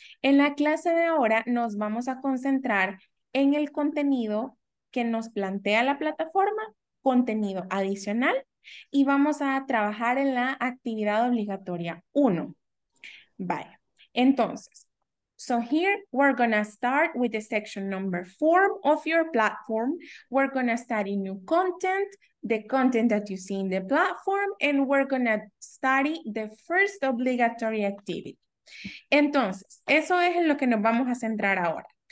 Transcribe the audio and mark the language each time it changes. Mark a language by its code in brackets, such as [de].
[es] En la clase de ahora nos vamos a concentrar en el contenido que nos plantea la plataforma, contenido adicional, y vamos a trabajar en la actividad obligatoria 1. Vaya, entonces, [en] So here we're gonna start with the section number 4 of your platform. We're gonna study new content, the content that you see in the platform, and we're gonna study the first obligatory activity. [es] Entonces, eso es en lo que nos vamos a centrar ahora.